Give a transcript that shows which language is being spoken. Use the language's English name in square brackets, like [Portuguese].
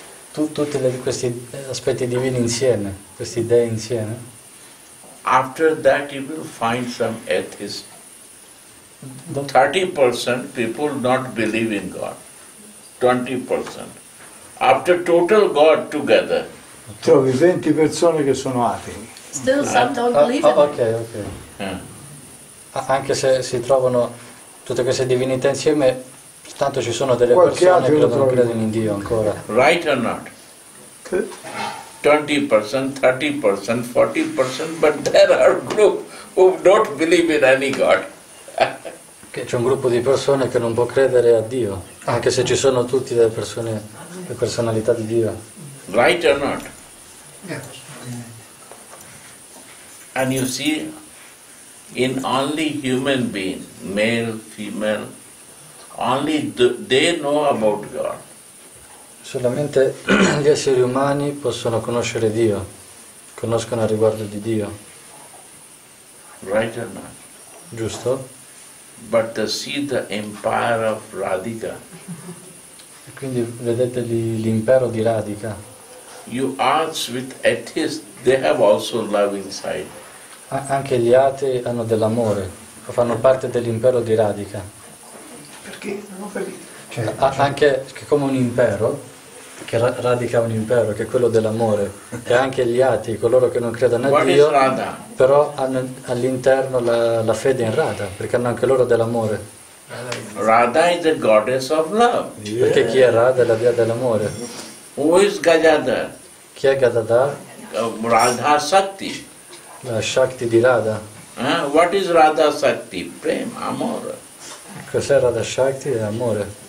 [Italian] Tutti questi aspetti divini insieme, questi dei insieme. [English] After that you will find some atheist. 30% people not believe in God. 20%. After total God together. [Italian] Trovi 20 persone che sono atei. [English] Still some don't believe in God. Ok. Yeah. [Italian] Anche se si trovano tutte queste divinità insieme, tanto ci sono delle qualche persone che non credono in Dio ancora. [English] Right or not? 20%, 30%, 40%, but there are group who don't believe in any God. [Italian] Che c'è un gruppo di persone che non può credere a Dio, anche se ci sono tutte le persone, le personalità di Dio. [English] Right or not? And you see, in only human being, male, female, only they know about God. [Italian] Solamente gli esseri umani possono conoscere Dio, conoscono a riguardo di Dio. [English] Right or not? [Italian] Giusto? [English] But to see the empire of Radhika. [Italian] E quindi vedete l'impero di Radhika. [English] You ask with atheists, they have also love inside. [Italian] Anche gli atei hanno dell'amore, fanno parte dell'impero di Radhika. Perché? Non ho capito. Cioè, anche come un impero, che Radhika è un impero, che è quello dell'amore, e anche gli atei, coloro che non credono a [English] What [Italian] Dio, però hanno all'interno la fede in Radha, perché hanno anche loro dell'amore. [English] Radha is the goddess of love. [Italian] Perché chi è Radha è la dea dell'amore. [English] Who is Gajadhar? [Italian] Chi è Gajadhar? [English] Radha Shakti. [Italian] La Shakti di Radha. [English] What is Radha Shakti? Prema, amore. [Italian] Cos'è Radha Shakti? È amore.